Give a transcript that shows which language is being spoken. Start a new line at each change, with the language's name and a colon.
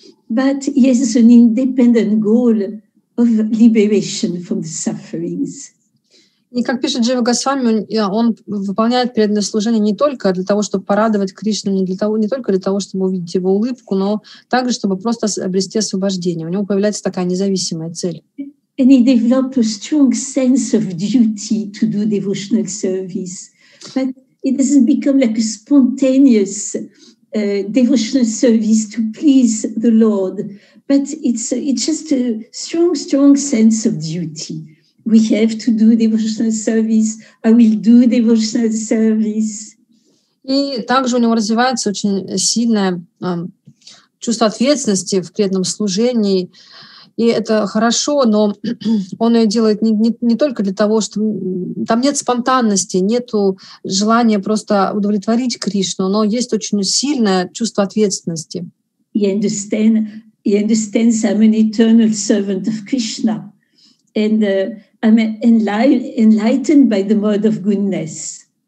English: But he has an independent goal of liberation from the sufferings.
Russian: И как пишет Джива Госвами, он выполняет преданное служение не только для того, чтобы порадовать Кришну, не только для того, чтобы увидеть его улыбку, но также, чтобы просто обрести освобождение. У него появляется такая независимая цель.
English: And he developed a strong sense of duty to do devotional service. But it doesn't become like a spontaneous devotional service to please the Lord. But it's just a strong, strong sense of duty. We have to do devotional service. I will do devotional service.
Russian: И также у него развивается очень сильное чувство ответственности в преданном служении. И это хорошо, но он ее делает не только для того, что там нет спонтанности, нет желания просто удовлетворить Кришну, но есть очень сильное чувство ответственности.
English: He understands I'm an eternal servant of Krishna, and I'm enlightened by the mode of goodness.